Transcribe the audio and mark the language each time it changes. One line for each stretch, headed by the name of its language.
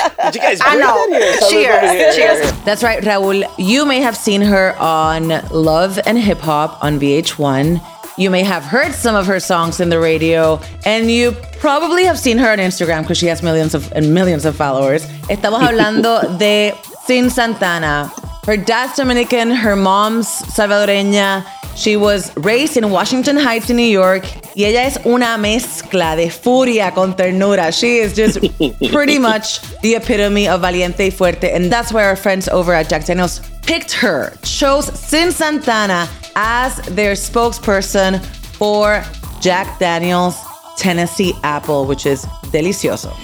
English: Did you guys bring that here? Cheers. That's right, Raúl. You may have seen her on Love and Hip Hop on VH1. You may have heard some of her songs in the radio, and you probably have seen her on Instagram because she has millions of followers.
Spanish: Estamos hablando de Sin Santana.
English: Her dad's Dominican, her mom's Salvadoreña. She was raised in Washington Heights in New York.
Spanish: Y ella es una mezcla de furia con ternura.
English: She is just pretty much the epitome of Valiente y Fuerte. And that's why our friends over at Jack Daniels picked her, chose Sin Santana as their spokesperson for Jack Daniel's Tennessee Apple, which is delicioso.